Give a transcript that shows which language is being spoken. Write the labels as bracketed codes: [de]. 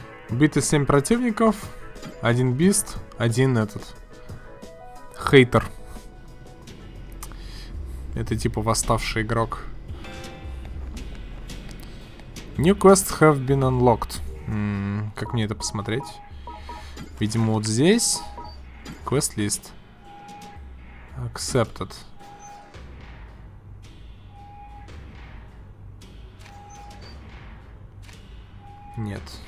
[ru] Убиты 7 противников, 1 бист, 1 этот хейтер. Это типа восставший игрок. [en] New quests have been unlocked. [ru] Как мне это посмотреть? Видимо, вот здесь квест лист. Accepted. Нет.